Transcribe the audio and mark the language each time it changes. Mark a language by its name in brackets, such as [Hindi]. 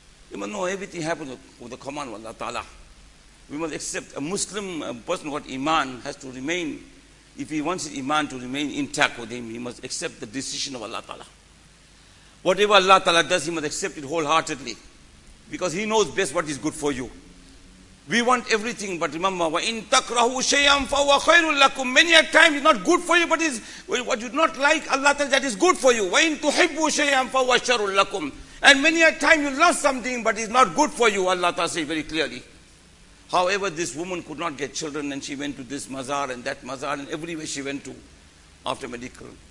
[English] You must know everything happens with the command of Allah Ta'ala. We must accept a Muslim, a person who got Iman, has to remain. If he wants his Iman to remain intact with him, he must accept the decision of Allah Ta'ala. Whatever Allah Ta'ala does, he must accept it wholeheartedly. Because he knows best what is good for you. We want everything, but remember, [Arabic] وَإِن تَكْرَهُ شَيْئًا فَهُوَ خَيْرٌ لَكُمْ. [English] Many a time it's not good for you, but what you do not like, Allah tells that is good for you. [Arabic] وَإِن تُحِبُّ شَيْئًا فَهُوَ شَرٌ لَكُمْ. [English] And many a time you love something, but it's not good for you, Allah Ta'ala says very clearly. However, this woman could not get children, and she went to this mazar and that mazar, and everywhere she went to, after medical.